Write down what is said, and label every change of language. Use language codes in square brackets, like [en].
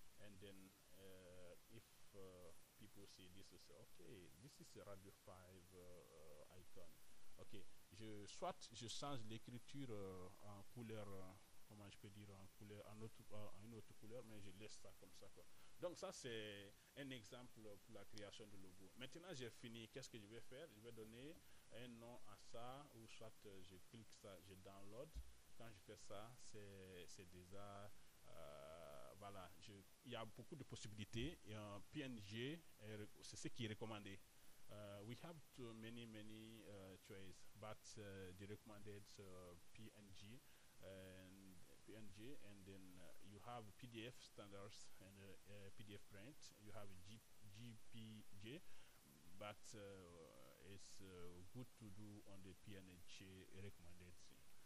[en] And then if people see this, say, okay, this is a Radio 5 icon. [fr] Okay, soit je change l'écriture en couleur, comment je peux dire, en couleur, une autre couleur, mais je laisse ça comme ça, quoi. Donc ça, c'est un exemple pour la création de logo. Maintenant, j'ai fini. Qu'est-ce que je vais faire? Je vais donner un nom à ça, ou soit je clique ça, je download. Quand je fais ça, c'est déjà... voilà, il y a beaucoup de possibilités. Et un PNG, c'est ce qui est recommandé. [en] We have too many choices, but the recommended PNG. And then you have PDF standards and PDF print. You have GPG, but it's good to do on the PNG recommended thing.